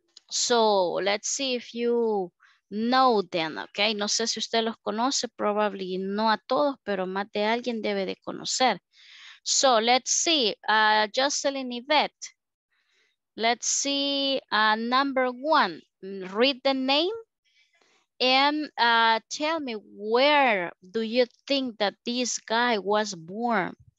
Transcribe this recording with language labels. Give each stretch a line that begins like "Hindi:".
English: So let's see if you know them, okay?
Spanish: No sé si usted los conoce,
English: probably
Spanish: no a todos, pero más de alguien debe de conocer.
English: So let's see, Jocelyn Yvette. Let's see, number one, read the name and tell me where do you think that this guy was born?